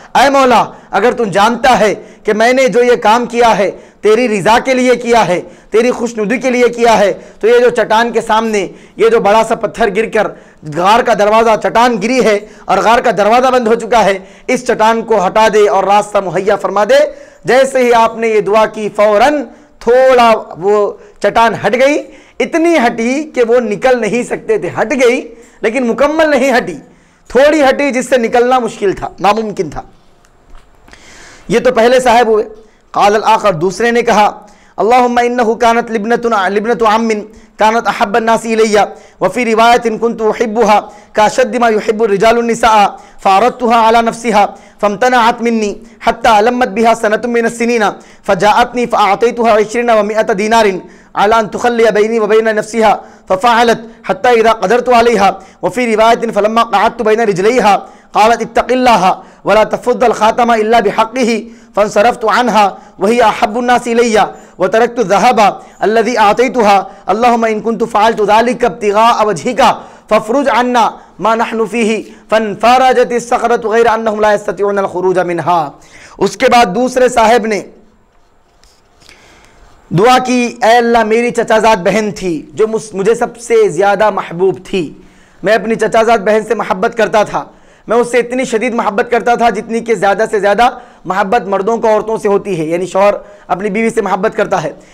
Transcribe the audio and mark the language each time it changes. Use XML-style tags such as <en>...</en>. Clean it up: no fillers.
<ur>اے مولا, اگر تم جانتا ہے کہ میں نے جو یہ کام کیا ہے تیری رضا کے لیے کیا ہے, تیری خوشنودی کے لیے کیا ہے, تو یہ جو چٹان کے سامنے یہ جو بڑا سا پتھر گر کر غار کا دروازہ, چٹان گری ہے اور غار کا دروازہ بند ہو چکا ہے, اس چٹان کو ہٹا دے اور راستہ مہیا فرما دے. جیسے ہی آپ نے یہ دعا کی فوراً تھوڑا وہ چٹان ہٹ گئی, اتنی ہٹی کہ وہ نکل نہیں سکتے تھے, ہٹ گئی لیکن مکمل نہیں ہٹی, تھوڑی ہٹی جس سے نکلنا مشکل تھا, ناممکن تھا. یہ تو پہلے صاحب ہوئے.</ur> <ar>قال الآخر,</ar> <ur>دوسرے نے کہا,</ur> <ar>اللهم انه كانت لبنة عم كانت احب الناس الي وفي رواية كنت احبها كاشد ما يحب الرجال النساء فعرضتها على نفسها فامتنعت مني حتى لمت بها سنة من السنين فجاءتني فاعطيتها 20 و100 دينار على ان تخلي بيني وبين نفسها ففعلت حتى اذا قدرت عليها وفي رواية فلما قعدت بين رجليها قالت اتق الله ولا تفض الخاتم الا بحقه فانصرفت عنها وهي احب الناس الي وتركت الذهب الذي اعطيتها اللهم ان كنت فعلت ذلك ابتغاء وجهك فافرج عنا ما نحن فيه فانفرجت الصخره غير انهم لا يستطيعون الخروج منها.</ar> <ur>اس کے بعد دوسرے صاحب نے دعا کی, اے اللہ, میری چچا زاد بہن تھی جو مجھے سب سے زیادہ محبوب تھی, میں اپنی چچا زاد بہن سے محبت کرتا تھا, میں اس سے اتنی شدید محبت کرتا تھا جتنی کہ زیادہ سے زیادہ محبت مردوں کو عورتوں سے ہوتی ہے, یعنی شوہر اپنی بیوی سے محبت کرتا ہے.</ur>